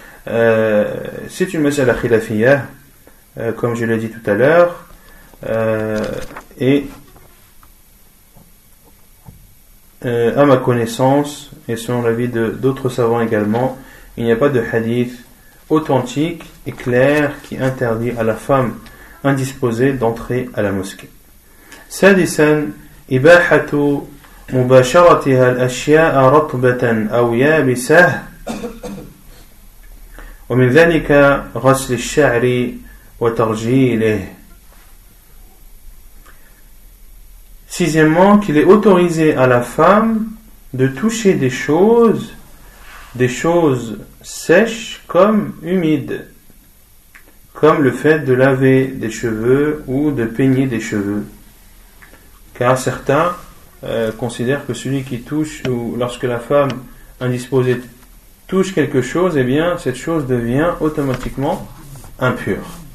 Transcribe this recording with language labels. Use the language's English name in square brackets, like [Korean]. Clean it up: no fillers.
[French] C'est une [Arabic] mas'ala khilafiyah, [French] comme je l'ai dit tout à l'heure, et à ma connaissance, et selon l'avis d'autres savants également, il n'y a pas de hadith authentique et clair qui interdit à la femme indisposée d'entrer à la mosquée. [Arabic] Sadisan, ibahatu مباشرتها الأشياء رطبة أو يابسة ومن ذلك غسل الشعر وترجيله. [French] Sixièmement, qu'il est autorisé à la femme de toucher des choses sèches comme humides, comme le fait de laver des cheveux ou de peigner des cheveux, car certains considère que celui qui touche, ou lorsque la femme indisposée touche quelque chose, eh bien cette chose devient automatiquement impure.